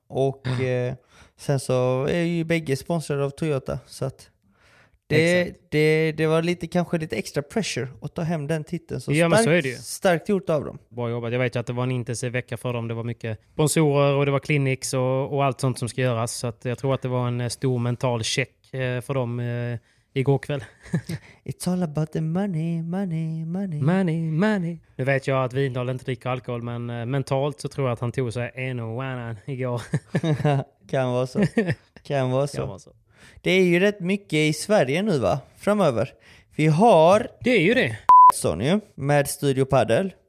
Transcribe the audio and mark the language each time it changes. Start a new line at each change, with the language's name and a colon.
Swedish: Och sen så är ju bägge sponsrade av Toyota, så att det var lite, kanske lite extra pressure att ta hem den titeln. Så, ja, starkt, så är det ju. Starkt gjort av dem. Bra jobbat. Jag vet ju att det var en intensiv vecka för dem. Det var mycket sponsorer och det var clinics och allt sånt som ska göras. Så att jag tror att det var en stor mental check för dem igår kväll.
English: It's all about the money, money, money. Money, money.
Swedish: Nu vet jag att Vindahl inte dricker alkohol, men mentalt så tror jag att han tog sig en och annan igår. Kan vara så. Kan vara så. Kan vara så. Det är ju rätt mycket i Sverige nu, va? Framöver. Vi har... Det är ju det. Sony med Studio Paddle.